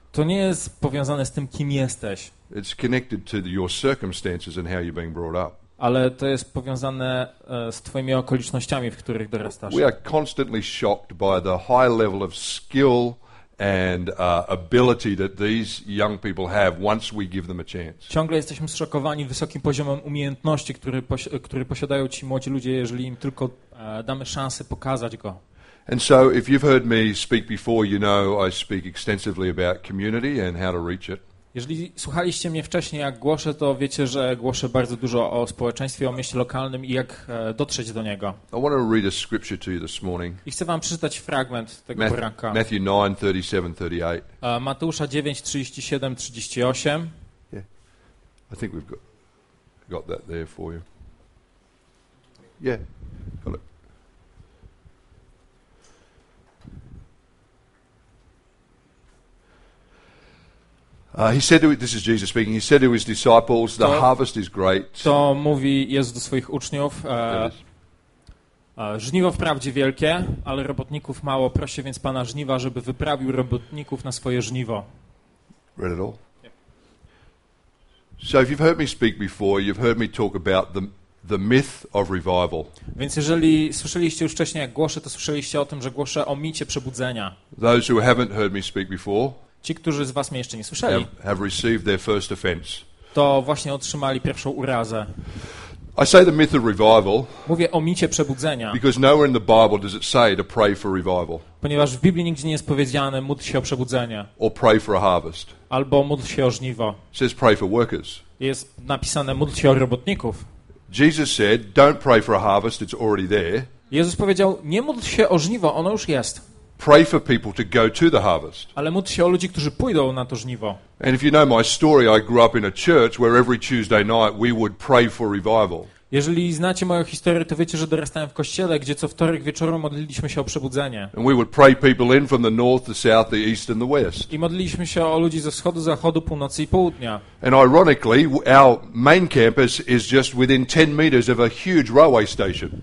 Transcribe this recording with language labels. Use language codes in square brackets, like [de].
[pl] To nie jest powiązane z tym, kim jesteś. [en] It's connected to your circumstances and how you're being brought up. [pl] Ale to jest powiązane z twoimi okolicznościami, w których dorastasz. [en] We are constantly shocked by the high level of skill and ability that these young people have once we give them a chance. [pl] Ciągle jesteśmy zszokowani wysokim poziomem umiejętności, który posiadają ci młodzi ludzie, jeżeli im tylko damy szansę pokazać go. [en] And so if you've heard me speak before, you know I speak extensively about community and how to reach it. [pl] Jeżeli słuchaliście mnie wcześniej, jak głoszę, to wiecie, że głoszę bardzo dużo o społeczeństwie, o mieście lokalnym i jak dotrzeć do niego. [en] I want to read a scripture to you this morning. [pl] I chcę wam przeczytać fragment tego poranka. [en] Matthew 9:37-38. [pl] Mateusza 9:37-38. [en] Yeah. I think we've got that there for you. Yeah. Got it. He said to this is Jesus speaking. He said to his disciples, "The harvest is great." [pl] To mówi Jezus do swoich uczniów. Żniwo wprawdzie wielkie, ale robotników mało. Proszę więc Pana żniwa, żeby wyprawił robotników na swoje żniwo. [en] Read it all. So if you've heard me speak before, you've heard me talk about the myth of revival. [pl] Więc jeżeli słyszeliście już wcześniej, jak głoszę, to słyszeliście o tym, że głoszę o micie przebudzenia. [en] Those who haven't heard me speak before. [pl] Ci, którzy z was mnie jeszcze nie słyszeli, [en] have received their first offense. [pl] To właśnie otrzymali pierwszą urazę. [en] I say the myth of revival. [pl] Mówię o micie przebudzenia. [en] Because nowhere in the Bible does it say to pray for revival. [pl] Ponieważ w Biblii nigdzie nie jest powiedziane módl się o przebudzenie. [en] Or pray for a harvest. [pl] Albo módl się o żniwo. [en] It says pray for workers. [pl] Jest napisane módl się o robotników. [en] Jesus said, don't pray for a harvest, it's already there. [pl] Jezus powiedział, nie módl się o żniwo, ono już jest. [en] Pray for people to go to the harvest. [pl] Ale módl się o ludzi, którzy pójdą na to żniwo. [en] And if you know my story, I grew up in a church where every Tuesday night we would pray for revival. [pl] Jeżeli znacie moją historię, to wiecie, że dorastałem w kościele, gdzie co wtorek wieczorem modliliśmy się o przebudzenie. [en] And we would pray people in from the north, the south, the east and the west. [pl] I modliliśmy się o ludzi ze wschodu, zachodu, północy i południa. [en] And ironically, our main campus is just within 10 meters of a huge railway station.